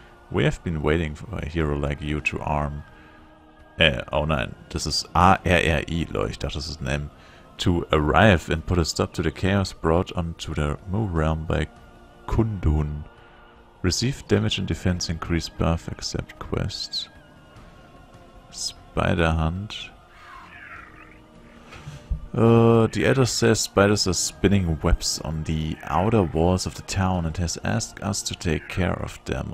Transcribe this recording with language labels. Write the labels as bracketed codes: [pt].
[en] We have been waiting for a hero like you to arm. [de] Oh nein, das ist A-R-R-I, Leute, ich dachte, das ist ein M. [en] To arrive and put a stop to the chaos brought onto the Mu realm by Kundun. Receive damage and defense increase buff, accept quest. Spider Hunt. The Elder says spiders are spinning webs on the outer walls of the town and has asked us to take care of them.